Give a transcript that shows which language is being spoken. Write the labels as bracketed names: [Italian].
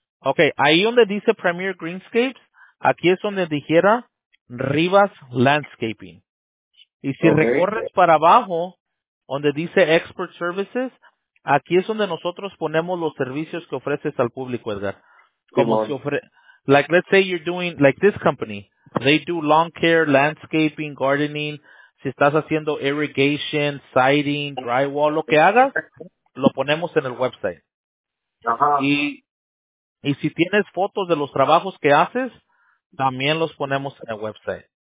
[Spanish] Okay, ahí donde dice Premier Greenscapes, aquí es donde dijera Rivas Landscaping. Y si recorres para abajo, donde dice Expert Services, aquí es donde nosotros ponemos los servicios que ofreces al público, Edgar. Como si [English] like, let's say you're doing, like this company, they do lawn care, landscaping, gardening. [Spanish] Si estás haciendo irrigation, siding, drywall, lo que hagas, lo ponemos en el website. Y si tienes fotos de los trabajos que haces, también los ponemos en el website.